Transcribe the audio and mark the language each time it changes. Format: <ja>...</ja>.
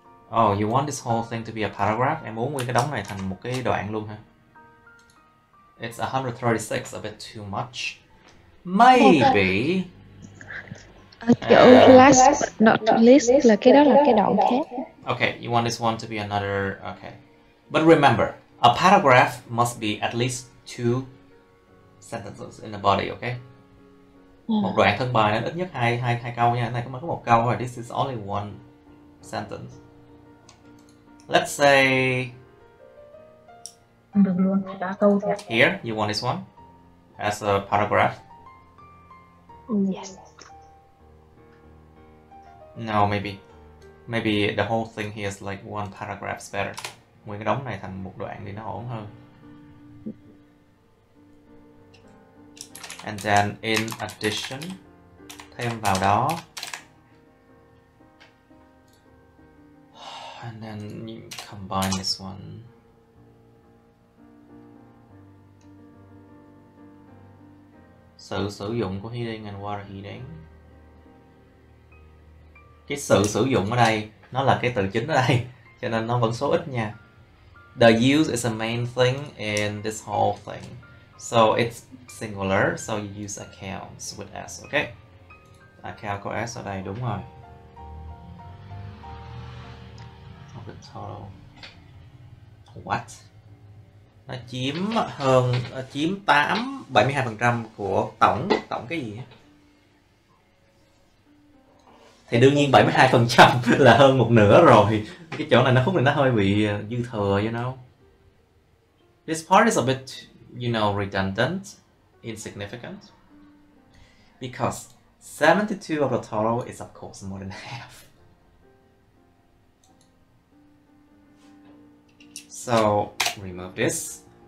<en>Oh, you want this whole thing to be a paragraph?</en> <vi>Em muốn nguyên cái đống này thành một cái đoạn luôn hả?</vi> <en>It's 136, a bit too much. Maybe.</en> <vi>Kiểu last but not least là cái đó là cái đoạn khác.</vi> <en>Okay, you want this one to be another, okay. But remember, a paragraph must be at least two sentences in the body, okay? Yeah.</en> <vi>Một đoạn thân bài nên ít nhất hai câu nha. Này có mới có một câu thôi.</vi> <en>This is only one sentence. Let's say</en> <vi>được luôn, ba câu thôi.</vi> <en>Here, you want this one as a paragraph? Yes. No, maybe. Maybe the whole thing here is like one paragraph better.</en> <vi>Nguyên cái đống này thành một đoạn thì nó ổn hơn.</vi> <en>And then in addition,</en> <vi>thêm vào đó.</vi> <en>And then you combine this one.</en> <vi>Sự sử dụng của</vi> <en>heating and water heating.</en> <vi>Cái sự sử dụng ở đây, nó là cái từ chính ở đây, cho nên nó vẫn số ít nha.</vi> <en>The use is a main thing in this whole thing. So it's singular, so you use accounts with S, okay?</en> <vi>Account có S ở đây, đúng rồi.</vi> <en>Of the total. What?</en> <vi>Nó chiếm hơn, chiếm 8, 72% của tổng, tổng cái gì á? Thì đương nhiên 72% là hơn một nửa rồi. Cái chỗ này nó khúc này nó hơi bị dư thừa,</vi> <en>you know. This part is a bit, you know, redundant, insignificant. Because 72 of the total is of course more than half. So, remove this.</en>